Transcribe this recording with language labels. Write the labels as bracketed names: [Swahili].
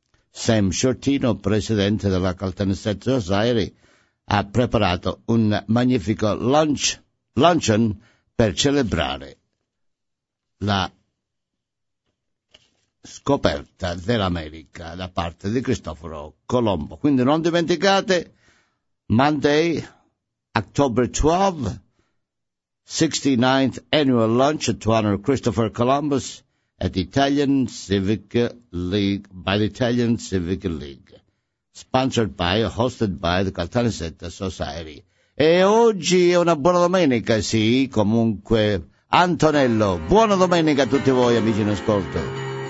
[Italian] Sam Shortino, presidente della Caltanissetta Society, ha preparato un magnifico luncheon per celebrare la scoperta dell'America da parte di Cristoforo Colombo. Quindi non dimenticate, [English] Monday, October 12, 69th annual lunch to honor Christopher Columbus at the Italian Civic League, by the Italian Civic League, sponsored by, hosted by the Caltanissetta Society. [Italian] E oggi è una buona domenica, sì, comunque, Antonello, buona domenica a tutti voi, amici in ascolto.